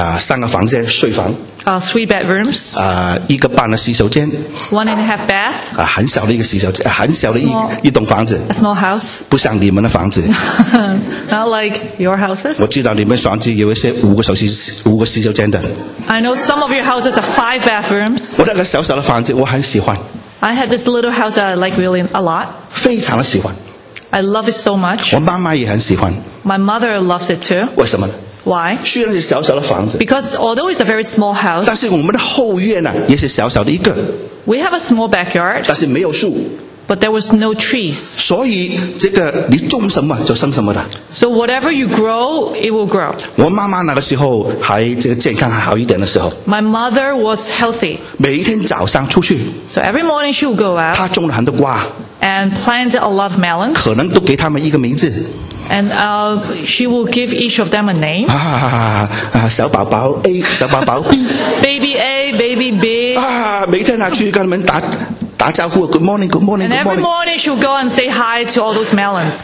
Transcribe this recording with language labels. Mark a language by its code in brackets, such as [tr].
[zh] 三个房间,睡房。 [en] Three bedrooms. [zh] 一个半的洗手间。 [en] One and a half bath. [zh] 很小的一个洗手间，很小的 一栋房子。 [en] A small house. [zh] 不像你们的房子。 [en] Not like your houses. [zh] 我知道你们房子有一些五个洗手间的。 [en] I know some of your houses are five bathrooms. [zh] 我那个小小的房子我很喜欢。 [en] I had this little house that I like really a lot. [zh] 非常的喜欢。 [en] I love it so much. [zh] 我妈妈也很喜欢。 [en] My mother loves it too. [zh] 为什么呢？ [en] Why? [zh] 虽然是小小的房子。 [en] Because although it's a very small house. [zh] 但是我们的后院呢，也是小小的一个。 [en] We have a small backyard. [zh] 但是没有树。 [en] But there was no trees. [zh] 所以这个你种什么就生什么的。 [en] So whatever you grow, it will grow. [zh] 我妈妈那个时候还这个健康还好一点的时候。 [en] My mother was healthy. [zh] 每一天早上出去。 [en] So every morning she would go out. [zh] 她种了很多瓜。 [en] And planted a lot of melons. [zh] 可能都给他们一个名字。 [en] And she will give each of them a name. [zh] 小宝宝 A, 小宝宝 B. [en] Baby A, baby B. [zh] 每天去跟他们打招呼 , [en] good morning, good morning, good morning. And every morning she will go and say hi to all those melons.